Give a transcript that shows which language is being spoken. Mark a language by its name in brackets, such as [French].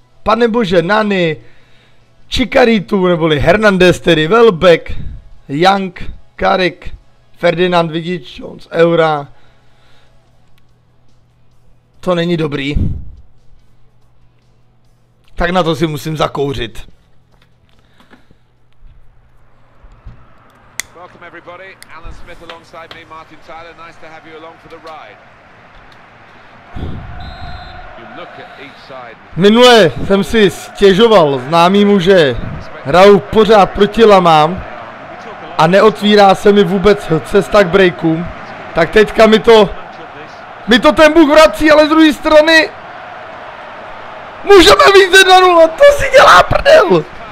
[Czech] Pane bože, Nani, Chicharito, neboli Hernandez, tedy Welbeck, Young, Carrick, Ferdinand, Vidic, Jones, Eura. To není dobrý. Tak na to si musím zakouřit. [English] Welcome everybody, Alan Smith alongside me, Martin Tyler, nice to have you along for the ride. You look at each side. [Czech] Minule jsem si stěžoval známýmu, že hraju pořád proti lamám a neotvírá se mi vůbec cesta k breakům, tak teďka mi to ten Bůh vrací, ale z druhé strany můžeme víc 1-0, to si dělá prdel!